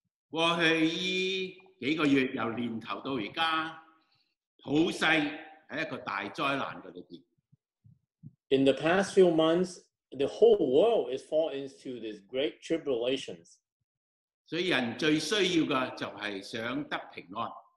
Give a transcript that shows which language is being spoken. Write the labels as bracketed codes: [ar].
[yue] 過去依幾個月，由年頭到而家，普世係一個大災難嘅裏邊。 [en] In the past few months, the whole world is falling into these great tribulations. [yue] 所以人最需要嘅就係想得平安。